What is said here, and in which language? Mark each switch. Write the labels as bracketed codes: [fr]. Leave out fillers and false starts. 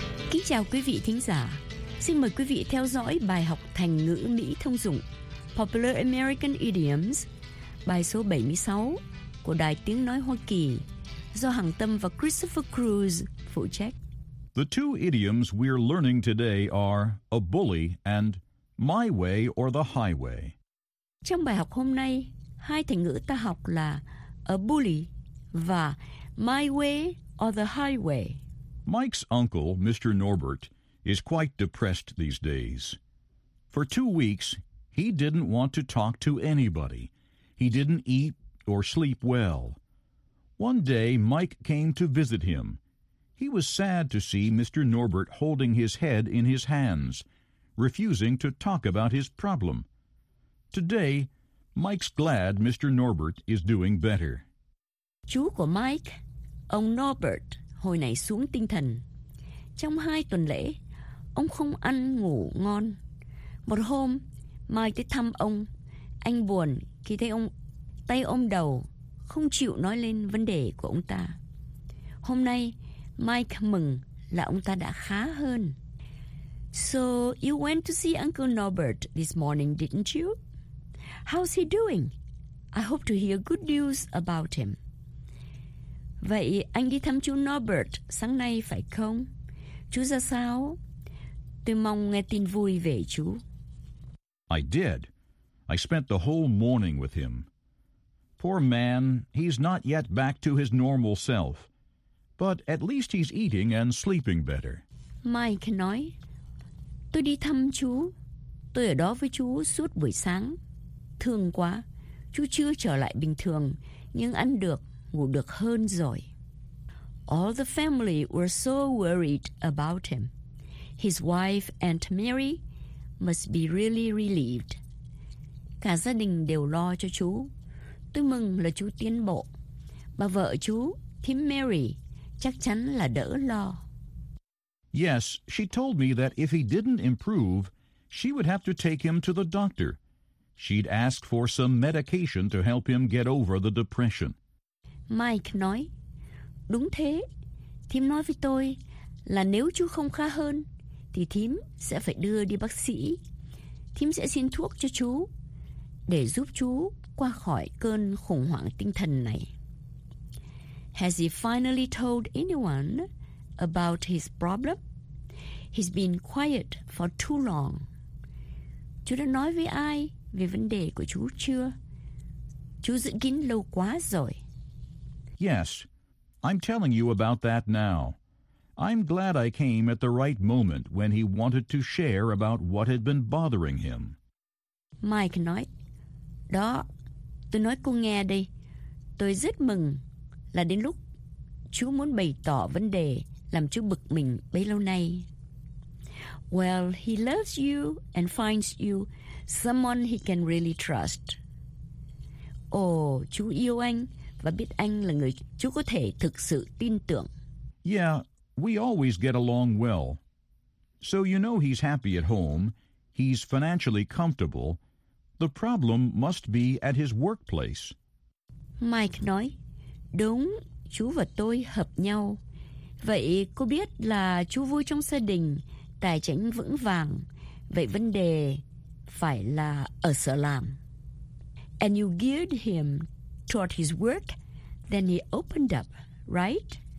[vi] Kính chào quý vị thính giả. Xin mời quý vị theo dõi bài học Thành ngữ Mỹ thông dụng [en] Popular American Idioms, [vi] bài số 76 của Đài Tiếng Nói Hoa Kỳ, do Hằng Tâm và Christopher Cruz phụ trách. [en] The two idioms we're learning today are a bully and my way or the highway. [vi] Trong bài học hôm nay, hai thành ngữ ta học là a bully và [en] my way or the highway. Mike's uncle, Mr. Norbert, is quite depressed these days. For 2 weeks, he didn't want to talk to anybody. He didn't eat or sleep well. One day, Mike came to visit him. He was sad to see Mr. Norbert holding his head in his hands, refusing to talk about his problem. Today, Mike's glad Mr. Norbert is doing better. [vi] Chú của Mike, ông Norbert, hồi này xuống tinh thần. Trong 2 tuần lễ, ông không ăn ngủ ngon. Một hôm, Mike tới thăm ông. Anh buồn khi thấy ông tay ôm đầu, không chịu nói lên vấn đề của ông ta. Hôm nay, Mike mừng là ông ta đã khá hơn. [en] So, you went to see Uncle Norbert this morning, didn't you? How's he doing? I hope to hear good news about him. [vi] Vậy, anh đi thăm chú Norbert sáng nay phải không? Chú ra sao? Tôi mong nghe tin vui về chú. [en] I did. I spent the whole morning with him. Poor man, he's not yet back to his normal self. But at least he's eating and sleeping better. [vi] Mike nói, tôi đi thăm chú. Tôi ở đó với chú suốt buổi sáng. Thương quá, chú chưa trở lại bình thường, nhưng ăn được, ngủ được hơn rồi. [en] All the family were so worried about him. His wife, Aunt Mary, must be really relieved. [vi] Cả gia đình đều lo cho chú. Tôi mừng là chú tiến bộ. Bà vợ chú, Tim Mary, chắc chắn là đỡ lo. [en] Yes, she told me that if he didn't improve, she would have to take him to the doctor. She'd ask for some medication to help him get over the depression. [vi] Mike nói, đúng thế. Thím nói với tôi là nếu chú không khá hơn, thì thím sẽ phải đưa đi bác sĩ. Thím sẽ xin thuốc cho chú để giúp chú qua khỏi cơn khủng hoảng tinh thần này. [en] Has he finally told anyone about his problem? He's been quiet for too long. [vi] Chú đã nói với ai về vấn đề của chú chưa? Chú giữ kín lâu quá rồi. [en] Yes, I'm telling you about that now. I'm glad I came at the right moment when he wanted to share about what had been bothering him. [vi] Mike nói, đó, tôi nói cô nghe đây. Tôi rất mừng là đến lúc chú muốn bày tỏ vấn đề làm chú bực mình bấy lâu nay. [en] Well, he loves you and finds you someone he can really trust. [vi] Oh, chú yêu anh và biết anh là người chú có thể thực sự tin tưởng. [en] Yeah, we always get along well. So you know he's happy at home. He's financially comfortable. The problem must be at his workplace. [vi] Mike nói, đúng, chú và tôi hợp nhau. Vậy cô biết là chú vui trong gia đình, tài chính vững vàng. Vậy vấn đề phải là ở sở làm. [en] And you geared him toward his work, then he opened up, right?